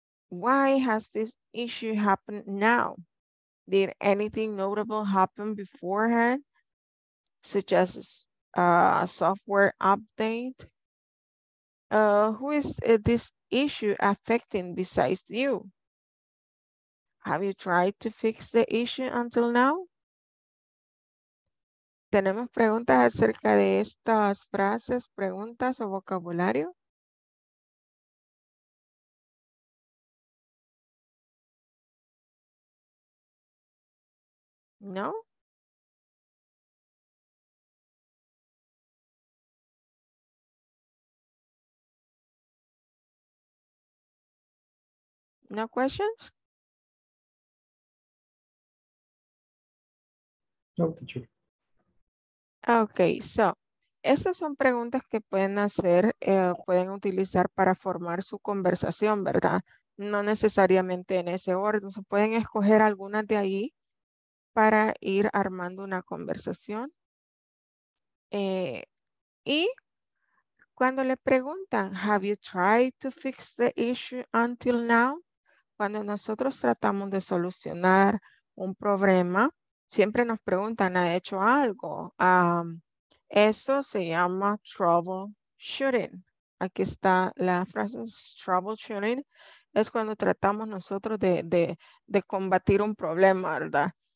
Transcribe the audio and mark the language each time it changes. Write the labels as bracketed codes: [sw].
[en] Why has this issue happened now? Did anything notable happen beforehand, such as a software update? Who is this issue affecting besides you? Have you tried to fix the issue until now? [es] ¿Tenemos preguntas acerca de estas frases, preguntas o vocabulario? ¿No? [en] ¿No questions? No, teacher. [es] Ok, so, esas son preguntas que pueden hacer, pueden utilizar para formar su conversación, ¿verdad? No necesariamente en ese orden, so, pueden escoger algunas de ahí para ir armando una conversación. Y cuando le preguntan, [en] have you tried to fix the issue until now? [es] Cuando nosotros tratamos de solucionar un problema, siempre nos preguntan, ¿ha hecho algo? Eso se llama troubleshooting. Aquí está la frase troubleshooting. Es cuando tratamos nosotros de combatir un problema, ¿verdad?